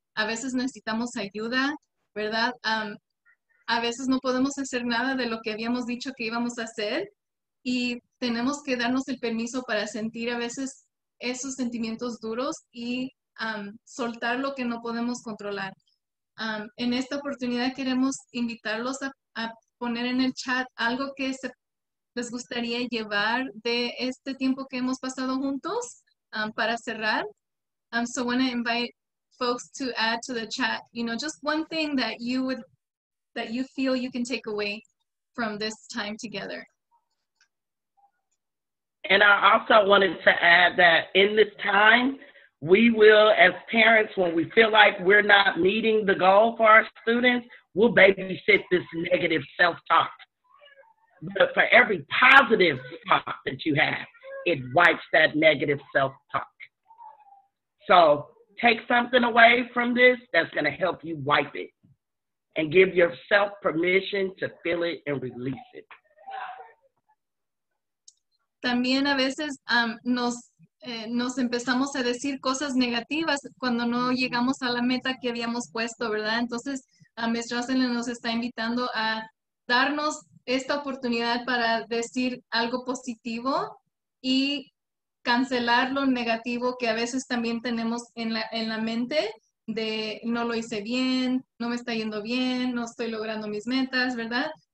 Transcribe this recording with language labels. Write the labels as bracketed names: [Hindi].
[Spanish] A veces necesitamos ayuda, ¿verdad? A veces no podemos hacer nada de lo que habíamos dicho que íbamos a hacer y tenemos que darnos el permiso para sentir a veces esos sentimientos duros y soltar lo que no podemos controlar. En esta oportunidad queremos invitarlos a poner en el chat algo que les gustaría llevar de este tiempo que hemos pasado juntos para cerrar. [English] So I want to invite folks to add to the chat, you know, just one thing that you feel you can take away from this time together. And I also wanted to add that in this time, we will, as parents, when we feel like we're not meeting the goal for our students, we'll babysit this negative self-talk. But for every positive thought that you have, it wipes that negative self-talk. So take something away from this that's going to help you wipe it and give yourself permission to feel it and release it. [Spanish] También a veces nos empezamos a decir cosas negativas cuando no llegamos a la meta que habíamos puesto, ¿verdad? Entonces, Ms. Jocelyn nos está invitando a darnos esta oportunidad para decir algo positivo y cancelar lo negativo que a veces también tenemos en la mente de no lo hice bien, no me está yendo bien, no estoy logrando mis metas, ¿verdad?